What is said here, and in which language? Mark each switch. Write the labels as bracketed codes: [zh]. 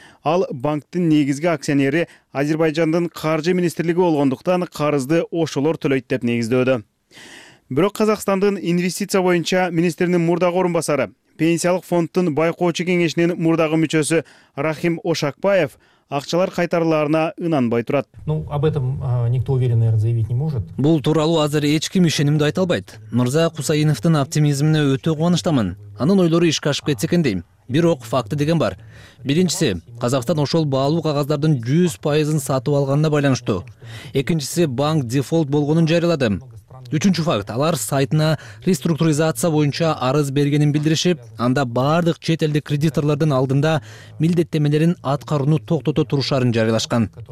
[ky] Ал банктын негизги акционери Азербайжандын каржы министрлиги болгондуктан карызды ошолор төлөйт деп негиздөөдө. Бирок Казакстандын инвестиция боюнча министринин мурдагы орун басары, пенсиялык фонддун байкоочу кеңешинин мурдагы мүчөсү Рахим Ошакбаев акчалар кайтарылаарына ынанбай турат. [ru] Ну, об этом никто уверенно заявить не может. [ky] Бул тууралуу азыр эч ким ишенимдүү айта албайт. Мырза Кусаиновдун оптимизмине өтө кубанычтамын. Анын ойлору ишке ашып кетсе экен дейм. Бирок факты деген бар. Биринчиси, Казакстан ошол баалуу кагаздардын 100% сатып алганына байланыштуу. Экинчиси, банк дефолт болгонун жарыялады. Үчүнчү факт, алар сайтына реструктуризация боюнча арыз бергенин билдиришип, анда бардык чет элдик кредиторлордун алдында милдеттемелерин аткарууну токтото турушарын жарыялашкан.